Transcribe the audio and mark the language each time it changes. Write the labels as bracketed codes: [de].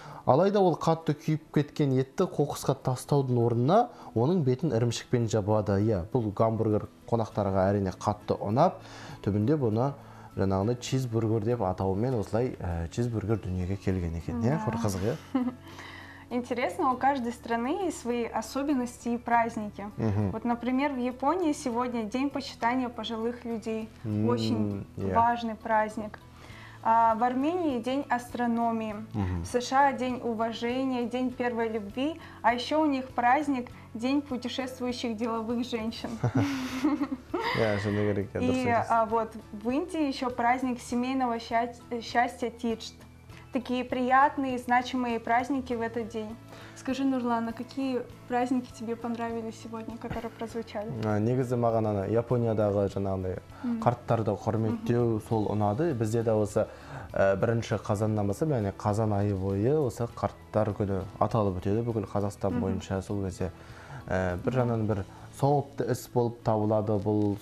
[kk] Алайда ол қатты күйіп кеткен етті қоқысқа тастаудың орнына оның бетін ірімшікпен жабады. Иә, бұл гамбургер қонақтарға әрине қатты ұнап, түбінде бұны жаңағыны чизбургер деп атауымен осылай чизбургер дүниеге келген екен. Не, қызық. [ru] Интересно, у каждой страны есть свои особенности и праздники. Вот, например, в Японии сегодня день почитания пожилых людей. Очень важный праздник. В Армении день астрономии. В США день уважения, день первой любви. А еще у них праздник день путешествующих деловых женщин. И вот в Индии еще праздник семейного счастья Тиджт. Такие приятные, значимые праздники в этот день. Скажи, Нурлан, а какие праздники тебе понравились сегодня, которые прозвучали? [kk] Негізі маған ана Япониядағы жаңағы қарттарды құрметтеу сол ұнады. Бізде де осы бірінші қазаннан бастап, яғни қазан айы бойы осы қарттар күні аталып өтеді. Бүкіл Қазақстан бойынша сол кезде бір жаңа бір соғыпты іс болып табылады бұл.